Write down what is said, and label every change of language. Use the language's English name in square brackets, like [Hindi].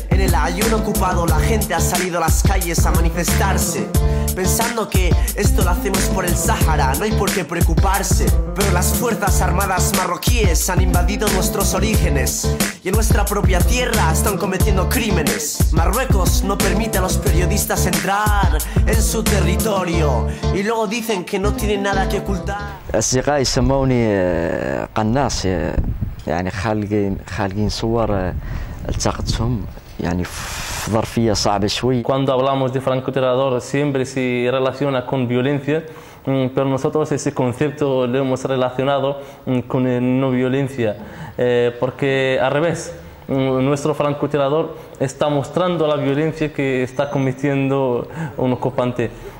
[Spanish] En el Aiún ocupado la gente ha salido a las calles a manifestarse, pensando que esto lo hacemos por el Sahara, no hay por qué preocuparse. Pero las fuerzas armadas marroquíes han invadido nuestros orígenes y en nuestra propia tierra están cometiendo crímenes. Marruecos no permite a los periodistas entrar en su territorio y luego dicen que no tienen nada que ocultar. [Arabic] أصدقائي سموني قناص, يعني خالقين صور التقطتهم يعني ظرفية صعبة شوي. [Spanish] Cuando hablamos de francotirador siempre se relaciona con violencia, pero nosotros ese concepto lo hemos relacionado con no violencia, porque al revés, nuestro francotirador está mostrando la violencia que está cometiendo un ocupante.